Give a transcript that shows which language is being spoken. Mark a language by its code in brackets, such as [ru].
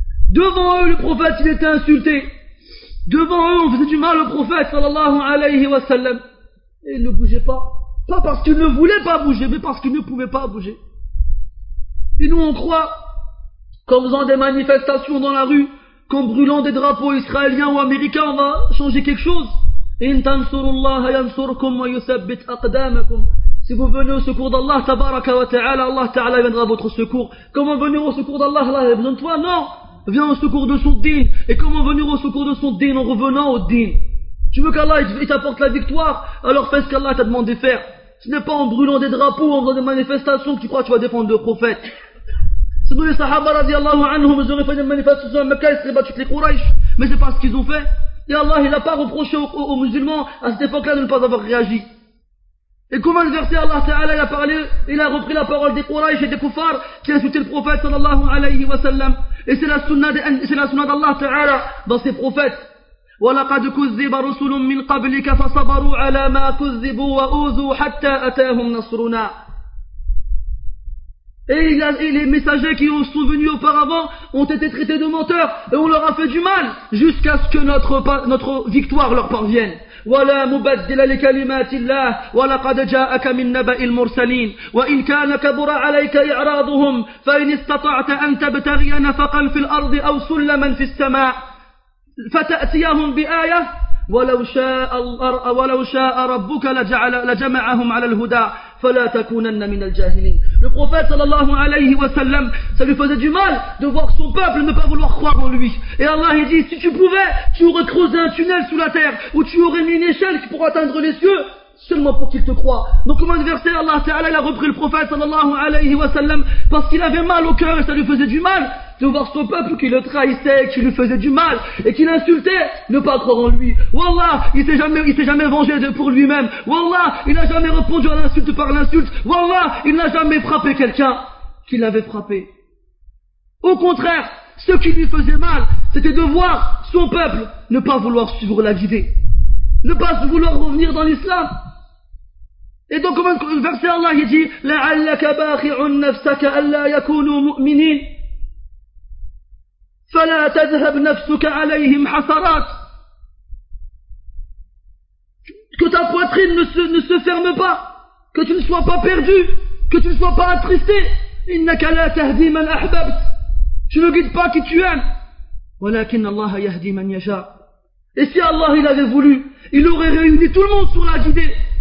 [fr] Devant eux, le prophète, il était insulté. Devant eux, on faisait du mal au prophète, sallallahu alayhi wa sallam. Et il ne bougeait pas. Pas parce qu'il ne voulait pas bouger, mais parce qu'il ne pouvait pas bouger. Et nous, on croit qu'en faisant des manifestations dans la rue, qu'en brûlant des drapeaux israéliens ou américains, on va changer quelque chose. [ar] إن تنصروا الله ينصركم ويثبت أقدامكم. [fr] Si vous venez au secours d'Allah, tabarak wa ta'ala, Allah ta'ala viendra à votre secours. Comment venir au secours d'Allah? Allah a besoin de toi? Non! Viens au secours de son dîn. Et comment venir au secours de son dîn? En revenant au dîn. Tu veux qu'Allah il t'apporte la victoire? Alors fais ce qu'Allah t'a demandé de faire. Ce n'est pas en brûlant des drapeaux, en faisant des manifestations que tu crois que tu vas défendre le prophète. Sinon les sahaba radiallahu anhum, ils auraient fait des manifestations à Mecca, ils seraient battus les Quraysh. Mais c'est pas ce qu'ils ont fait. Et Allah, il n'a pas reproché aux musulmans à cette époque-là de ne pas avoir réagi. Et comment le verset Allah Ta'ala, il a parlé, il a repris la parole des Quraysh et des Kuffars qui insultaient le prophète sallallahu alayhi wa sallam. Et c'est la sunna d'Allah Ta'ala dans ses prophètes. [ar] وَلَقَدْ كُذِّبَ رُسُلٌ مِّن قَبْلِكَ فَصَبَرُوا عَلَى مَا كُذِّبُوا وَأُوذُوا حَتَّى أَتَاهُمْ نَصْرُنَا. [fr] Et les messagers qui ont souvenu auparavant ont été traités de menteurs et on leur a fait du mal jusqu'à ce que notre victoire leur parvienne. [ar] وَلَا مُبَدِّلَ لِكَلِمَاتِ اللَّهِ وَلَقَدْ جَاءَكَ مِنْ نَبَإِ الْمُرْسَلِينَ وَإِنْ كَانَ كَبُرَ عَلَيْكَ إِعْرَاضُهُمْ فَإِنِ اسْتَطَعْتَ أَنْ تَبْتَغِيَ نَفَقًا فِي الْأَرْضِ أَوْ سُلَّمًا فِي السَّمَاءِ فَتَأْتِيَهُمْ بِآيَةٍ وَلَوْ شَاءَ رَبُّكَ لَجَمَعَهُمْ عَلَى الْهُدَى فَلَا تَكُونَنَّ مِنَ الْجَاهِلِينَ. [fr] Le prophète sallallahu alayhi wa sallam, ça lui faisait du mal de voir son peuple ne pas vouloir croire en lui. Et Allah il dit, si tu pouvais, tu aurais creusé un tunnel sous la terre ou tu aurais mis une échelle pour atteindre les cieux seulement pour qu'il te croit. Donc comme adversaire, Allah ta'ala il a repris le prophète sallallahu alayhi wa sallam parce qu'il avait mal au cœur et ça lui faisait du mal de voir son peuple qui le trahissait, qui lui faisait du mal et qui l'insultait, ne pas croire en lui. Wallah, il s'est jamais vengé pour lui-même. Wallah, il n'a jamais répondu à l'insulte par l'insulte. Wallah, il n'a jamais frappé quelqu'un qui l'avait frappé. Au contraire, ce qui lui faisait mal, c'était de voir son peuple ne pas vouloir suivre la guidée, ne pas vouloir revenir dans l'islam. Et donc, comment le verset Allah il dit, [ar] لَعَلَّكَ بَاخِعٌ نَفْسَكَ أَلَّا يَكُونُوا مُؤْمِنِينَ فلا تذهب نفسك عليهم حسرات. [fr] Que ta poitrine ne se ferme pas, que tu ne sois pas perdu, que tu ne sois pas attristé. [ar] إنك لا تهدي من أحببت. [fr] Tu ne guides pas qui tu aimes. [ar] ولكن الله يهدي من يشاء. [fr] Et si Allah il avait voulu, il aurait réuni tout le monde sur la guidée.